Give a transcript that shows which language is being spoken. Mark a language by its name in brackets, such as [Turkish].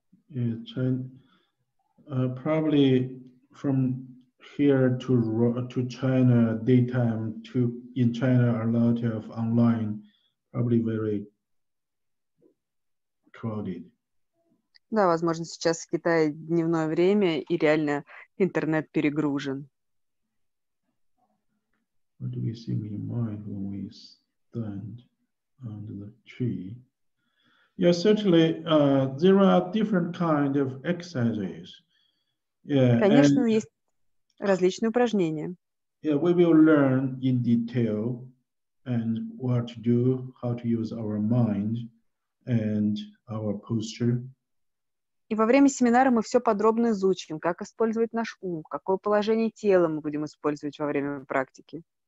[English] Yeah, probably from here to China, daytime to in China, a lot of online, probably very crowded. [Russian] Да, возможно, сейчас в Китае дневное время и реально интернет перегружен. [English] What do we see in mind when we stand under the tree? Yeah, certainly, there are different kind of exercises. [Russian] Yeah, конечно, and, есть различные упражнения. [English] Yeah, we will learn in detail and what to do, how to use our mind and our posture. [Russian] И во время семинара мы все подробно изучим, как использовать наш ум, какое положение тела мы будем использовать во время практики.